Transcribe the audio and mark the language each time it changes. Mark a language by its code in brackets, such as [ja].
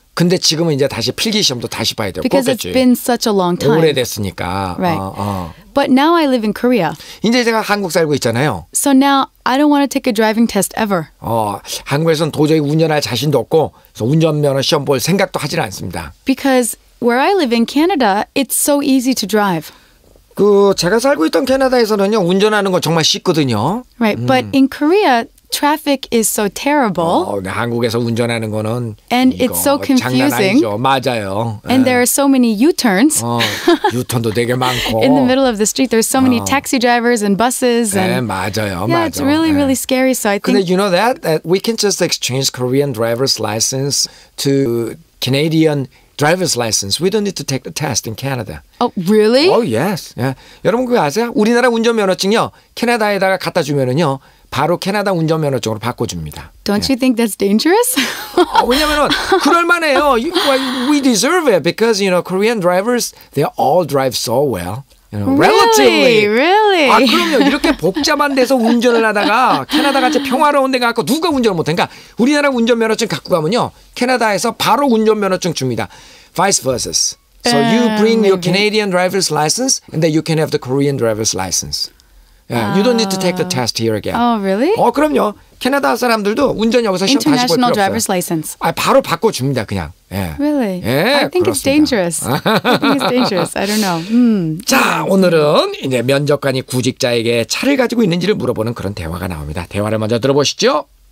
[ko] 근데 지금은 이제 다시 필기 시험도 다시 봐야 돼요. [en] Because [ko] 뽑겠지. [en] It's been such a long time. [ko] 오래됐으니까. [en] Right. But now I live in Korea. [ko] 이제 제가 한국 살고 있잖아요. [en] So now I don't want to take a driving test ever. [ko] 한국에서는 도저히 운전할 자신도 없고 운전면허 시험 볼 생각도 하지 않습니다. [en] Because where I live in Canada, it's so easy to drive. [ko] 그 제가 살고 있던 캐나다에서는요 운전하는 거 정말 쉽거든요. [en] Right. But in Korea. Traffic is so terrible. [ko] 한국에서 운전하는 거는 [en] And it's so confusing. [ko] 장난 아니죠. 맞아요. [en] And [ko] 네. [en] there are so many U-turns. [ko] U-turn도 되게 많고. [en] In the middle of the street, there's so many taxi drivers and buses. And [ko] 네, 맞아요. [en] Yeah, it's really, really [ko] 네. [en] scary. So I think. [ko] 근데 [en] you know that we can just exchange Korean driver's license to Canadian driver's license. We don't need to take the test in Canada. Oh, really? Oh, yes. Yeah. [ko] 여러분 그거 아세요? 우리나라 운전면허증요 캐나다에다가 갖다 주면은요. 바로 캐나다 운전면허증으로 바꿔줍니다. [en] Don't you think that's dangerous? [ko] 왜냐면 그럴만해요. [en] We deserve it because, you know, Korean drivers, they all drive so well. You know, relatively. Really? [ko] 그럼요. 이렇게 복잡한 데서 운전을 하다가 캐나다같이 평화로운 데 가서 누가 운전을 못해. 그러니까 우리나라 운전면허증 갖고 가면요. 캐나다에서 바로 운전면허증 줍니다. [en] Vice versa. So you bring your Canadian driver's license and then you can have the Korean driver's license. Yeah, you don't need to take the test here again. Oh, really? [ko] 그럼요. 캐나다 사람들도 운전 여기서 시험 다시 볼 필요 없어요. [en] International driver's license. [ko] 바로 바꿔줍니다, 그냥. 예. [en] Really? [ko] 예, [en] I think [ko] 그렇습니다. [en] it's dangerous. I think it's dangerous. I don't know. [ko] 자, 오늘은 이제 면접관이 구직자에게 차를 가지고 있는지를 물어보는 그런 대화가 나옵니다. 대화를 먼저 들어보시죠.